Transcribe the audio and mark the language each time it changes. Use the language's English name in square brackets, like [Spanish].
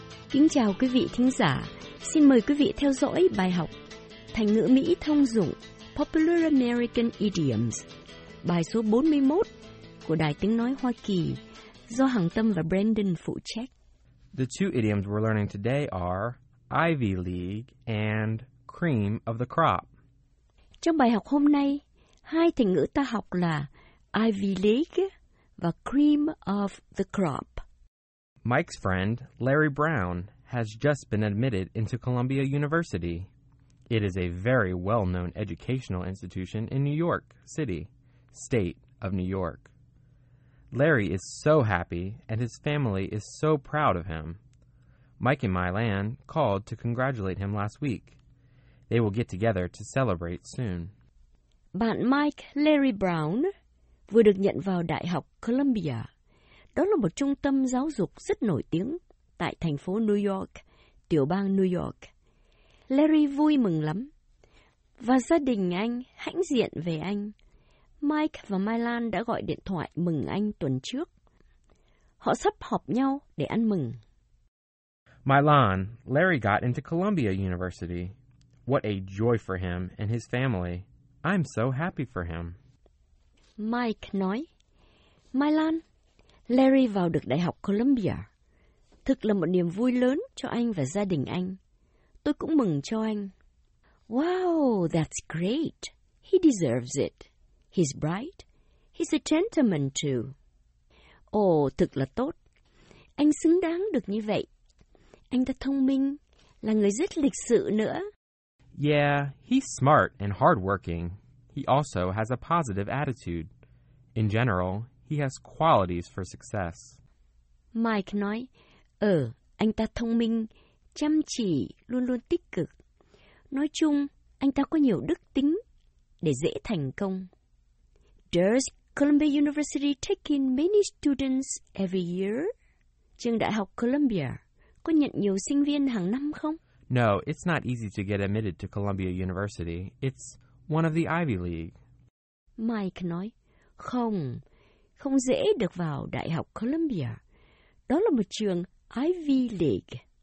[Vietnamese] Kính chào quý vị thính giả. Xin mời quý vị theo dõi bài học Thành ngữ Mỹ thông dụng Popular American Idioms, bài số 41 của Đài Tiếng Nói Hoa Kỳ, do Hằng Tâm và Brandon phụ trách. [English] The two idioms we're learning today are Ivy League and Cream of the Crop. [Vietnamese] Trong bài học hôm nay, hai thành ngữ ta học là Ivy League và Cream of the Crop. [English] Mike's friend, Larry Brown, has just been admitted into Columbia University. It is a very well-known educational institution in New York City, state of New York. Larry is so happy, and his family is so proud of him. Mike and Mylan called to congratulate him last week. They will get together to celebrate soon. [Vietnamese] Bạn Mike Larry Brown vừa được nhận vào Đại học Columbia. Đó là một trung tâm giáo dục rất nổi tiếng tại thành phố New York, tiểu bang New York. Larry vui mừng lắm. Và gia đình anh hãnh diện về anh. Mike và Mylan đã gọi điện thoại mừng anh tuần trước. Họ sắp họp nhau để ăn mừng. [English] Mylan, Larry got into Columbia University. What a joy for him and his family. I'm so happy for him. [Vietnamese] Mike nói, Mylan, Larry vào được Đại học Columbia. Thực là một niềm vui lớn cho anh và gia đình anh. Tôi cũng mừng cho anh. [English] Wow, that's great. He deserves it. He's bright. He's a gentleman too. [Vietnamese] Oh, thực là tốt. Anh xứng đáng được như vậy. Anh ta thông minh, là người rất lịch sự nữa. [English] Yeah, he's smart and hardworking. He also has a positive attitude. In general, he has qualities for success. [Vietnamese] Mike nói, anh ta thông minh, chăm chỉ, luôn luôn tích cực. Nói chung, anh ta có nhiều đức tính để dễ thành công. [English] Does Columbia University take in many students every year? [Vietnamese] Trường Đại học Columbia có nhận nhiều sinh viên hàng năm không? [English] No, it's not easy to get admitted to Columbia University. It's one of the Ivy League. [Vietnamese] Mike nói, không, không dễ được vào Đại học Columbia. Đó là một trường Ivy League.